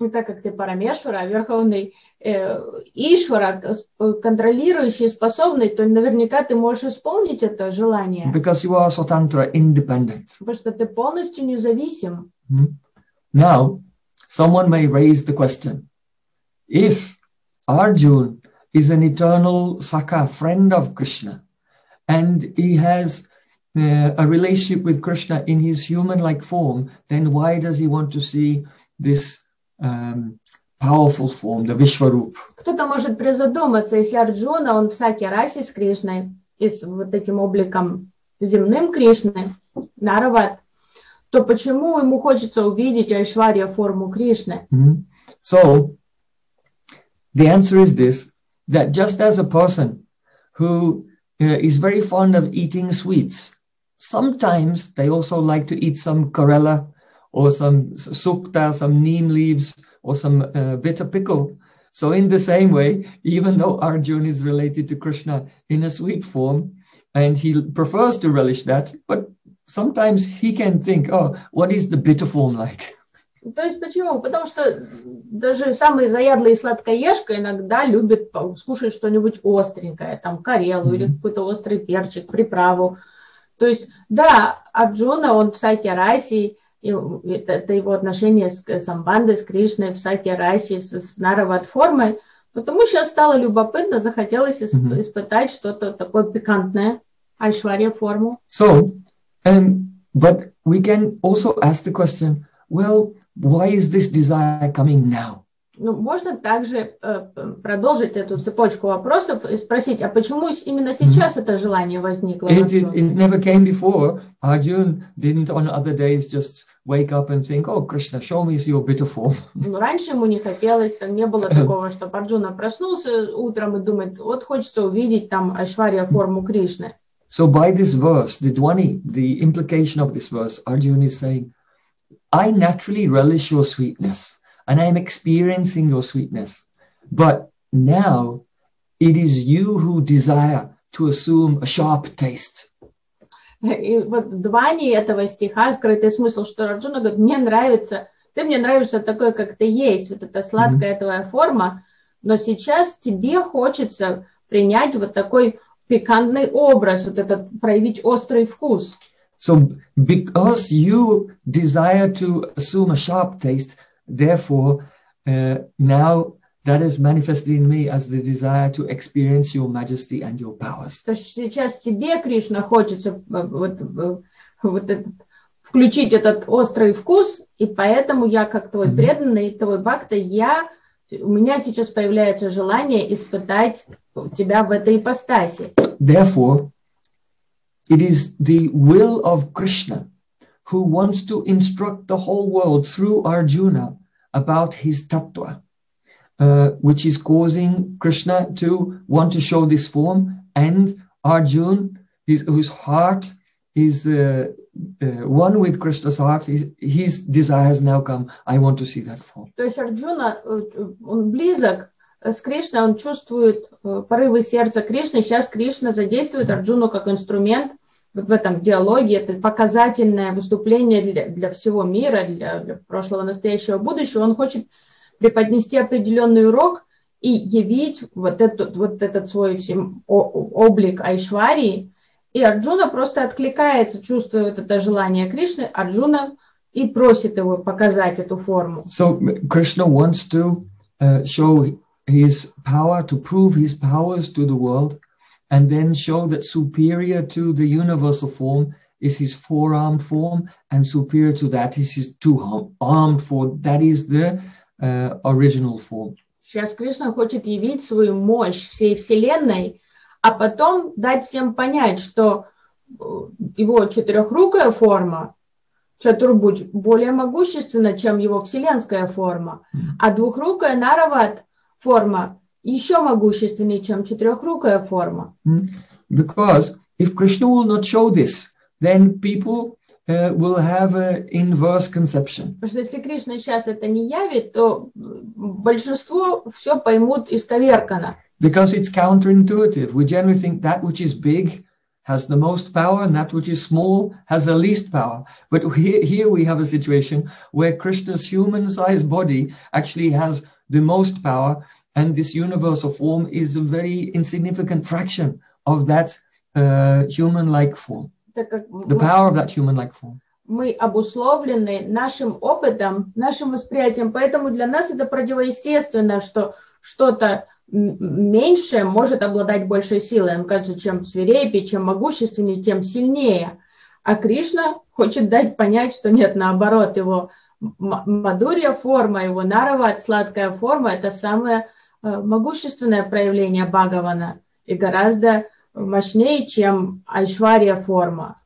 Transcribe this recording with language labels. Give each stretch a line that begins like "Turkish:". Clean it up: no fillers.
Russian: И так как ты Парамешвара, Верховный Ишвара, контролирующий, способный, то наверняка ты можешь исполнить это желание.
English: Because you are Сватантра, independent.
Russian: Потому что ты полностью независим.
English: Now, someone may raise the question. If Arjuna is an eternal Sakha, friend of Krishna, and he has a relationship with Krishna in his human-like form, then why does he want to see this powerful form, the Vishwarup? Кто-то может призадуматься, если Арджуна, он в сакхи-расе с Кришной, и с вот этим обликом земным Кришны, Нарават, то почему ему хочется увидеть Айшварья форму Кришны? So, the answer is this, that just as a person who is very fond of eating sweets, sometimes they also like to eat some karela or some sukta, some neem leaves or some bitter pickle. So in the same way, even though Arjuna is related to Krishna in a sweet form and he prefers to relish that, but sometimes he can think, oh, what is the bitter form like?
Russian: То есть почему? Потому что даже самый заядлый сладкоежка иногда любит скушать что-нибудь остренькое, там карелу или какой-то острый перчик, приправу. То есть, да, Арджуна, он в сакхи-расе, это его отношение с Амбандой, с Кришной, в сакхи-расе, с Нарават-формой, потому сейчас стало любопытно, захотелось испытать что-то такое пикантное, Айшварья-форму.
English: So, but we can also ask the question, well, why is this desire coming now?
Russian: Ну, можно также продолжить эту цепочку вопросов и спросить, а почему именно сейчас это желание возникло?
English: It never came before. Arjuna didn't on other days just wake up and think, oh, Krishna, show me your bitter form.
Russian: Ну, раньше ему не хотелось, там не было такого, что Арджуна проснулся утром и думает, вот хочется увидеть там Айшварья форму Кришны.
English: So by this verse, the dwani, the implication of this verse, Arjuna is saying, I naturally relish your sweetness and I am experiencing your sweetness. But now it is you who desire to assume a sharp taste.
Russian: И вот двани этого стиха, скрытый смысл, что Арджуна говорит, мне нравится, ты мне нравишься такой, как ты есть, вот эта сладкая mm-hmm. твоя форма, но сейчас тебе хочется принять вот такой пикантный образ, вот этот, проявить острый вкус.
English: So, because you desire to assume a sharp taste, therefore, now that is manifested in me as the desire to experience your majesty and your powers.
Russian: То есть сейчас тебе, Кришна, хочется вот включить этот острый вкус, и поэтому я как твой mm-hmm. преданный, твой бхакта, у меня сейчас появляется желание испытать тебя в этой ипостаси.
English: Therefore, it is the will of Krishna who wants to instruct the whole world through Arjuna about his tattva. Which is causing Krishna to want to show this form, and Arjuna, whose heart is one with Krishna's heart, his desire has now come. I want to see that form.
Russian: То есть Арджуна, он близок с Кришной, он чувствует порывы сердца Кришны. Сейчас Кришна задействует Арджуну как инструмент вот в этом диалоге. Это показательное выступление для всего мира, для прошлого, настоящего, будущего. Он хочет преподнести определенный урок и явить вот этот свой всем облик Айшварии. И Арджуна просто откликается, чувствует это желание Кришны, Арджуна, и просит его показать эту форму.
English: So, Krishna wants to show his power, to prove his powers to the world, and then show that superior to the universal form is his four-armed form, and superior to that is his two-armed form. That is the original form.
Russian: Сейчас Кришна хочет явить свою мощь всей вселенной, а потом дать всем понять, что его четырехрукая форма, Чатурбудж, более могущественна, чем его вселенская форма, а двухрукая Нарават форма еще могущественнее, чем четырехрукая форма.
English: Because if Krishna will not show this, then people will have an inverse conception.
Russian: Потому что если Кришна сейчас это не явит, то большинство все поймут исковерканно.
English: Because it's counterintuitive. We generally think that which is big has the most power and that which is small has the least power. But here we have a situation where Krishna's human-sized body actually has the most power and this universal form is a very insignificant fraction of that human-like form. The power of that human-like form.
Russian: Мы обусловлены нашим опытом, нашим восприятием, поэтому для нас это противоестественно, что что-то меньшее может обладать большей силой. Он кажется, чем свирепее, чем могущественнее, тем сильнее. А Кришна хочет дать понять, что нет, наоборот, его мадурья форма, его нарават, сладкая форма, это самое могущественное проявление Бхагавана и гораздо мощнее, чем Айшвария форма.